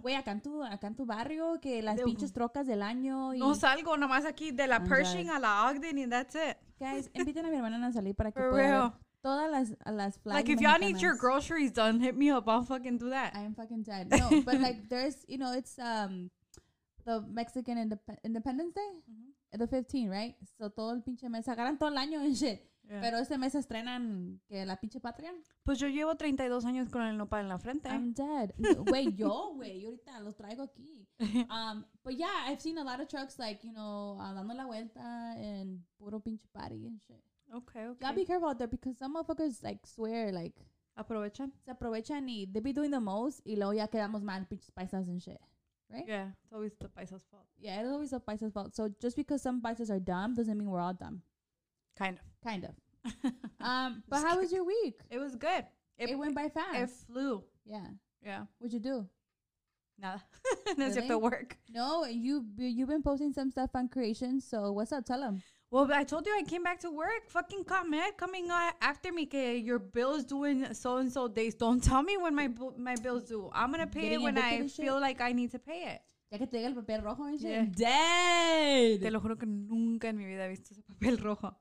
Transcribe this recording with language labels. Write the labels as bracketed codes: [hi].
[es] Güey, acá en tu barrio, que las de pinches trocas del año. Y no salgo nomás aquí de la Pershing a la Ogden and that's it. Guys, inviten a mi hermana a salir para que pueda ver todas las flags. [en] Like, if [es] mexicanas. [en] Y'all need your groceries done, hit me up. I'll fucking do that. I am fucking dead. No, but, like, there's, you know, it's the Mexican Independence Day, mm-hmm. [es] The 15, right? So todo el pinche mes, agarran todo el año and shit. Yeah. Pero este mes estrenan que la pinche patria. Pues yo llevo 32 años con el nopal en la frente. I'm dead. Güey, yo ahorita los traigo aquí. [en] But yeah, I've seen a lot of trucks, like, you know, dando la vuelta and puro pinche party and shit. Okay. Gotta be careful out there because some motherfuckers, like, swear, like. [es] Aprovechan. Se aprovechan y they be doing the most y luego ya quedamos mal pinches paisas and shit. Right? [en] Yeah, it's always the paisas' fault. Yeah, it's always the paisas' fault. So just because some paisas are dumb doesn't mean we're all dumb. Kind of. But how was your week? It was good. It went by fast. It flew. Yeah. Yeah. What'd you do? Nada. Really? Except the work. No, you've been posting some stuff on Creation. So what's up? Tell them. Well, I told you I came back to work. Fucking comment coming after me. Que your bill's doing so and so days. Don't tell me when my bill's due. I'm gonna pay it when I feel like I need to pay it. [es] Ya que te llega el papel rojo, yeah. Dead. Te lo juro que nunca en mi vida he visto ese papel rojo.